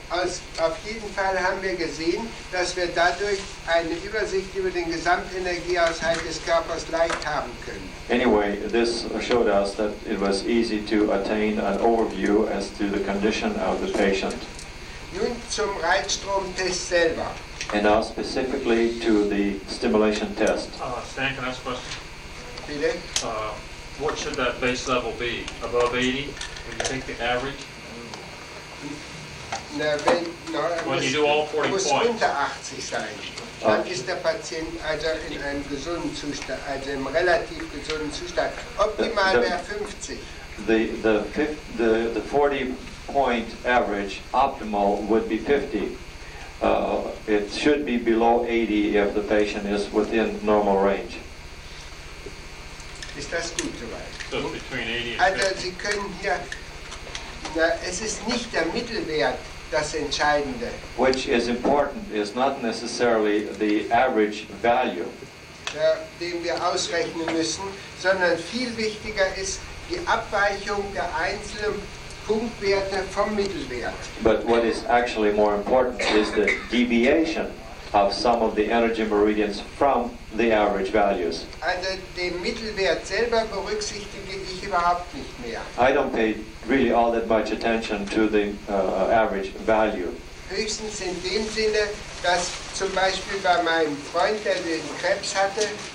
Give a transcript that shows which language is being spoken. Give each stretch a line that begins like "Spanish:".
German: Auf jeden Fall haben wir gesehen, dass wir dadurch eine Übersicht über den Gesamtenergieaushalt des Körpers leicht haben können.
English: Anyway, this showed us that it was easy to attain an overview as to the condition of the patient.
German: Nun zum Reizstromtest selber.
English: And now specifically to the stimulation test. Stan, can I ask a question?
German: Bitte?
English: What should that base level be? Above 80? Would you take the average? When you do all 40 points.
German: Muss unter 80 sein. Dann ist der Patient also in einem gesunden Zustand, also im relativ gesunden Zustand. Optimal wäre 50.
English: The 40 point average optimal would be 50. It should be below 80 if the patient is within normal range.
German: Ist das gut soweit?
English: So between 80 and 50.
German: Also Sie können hier, na, es ist nicht der Mittelwert das Entscheidende.
English: Which is important is not necessarily the average value.
German: Den wir ausrechnen müssen, sondern viel wichtiger ist die Abweichung der einzelnen Punktwerte vom Mittelwert.
English: But what is actually more important is the deviation of some of the energy meridians from the average values.
German: Also den Mittelwert selber berücksichtige ich überhaupt nicht mehr.
English: I don't pay really all that much attention to the average value.
German: Höchstens in dem Sinne, dass zum Beispiel bei meinem Freund, der den Krebs hatte,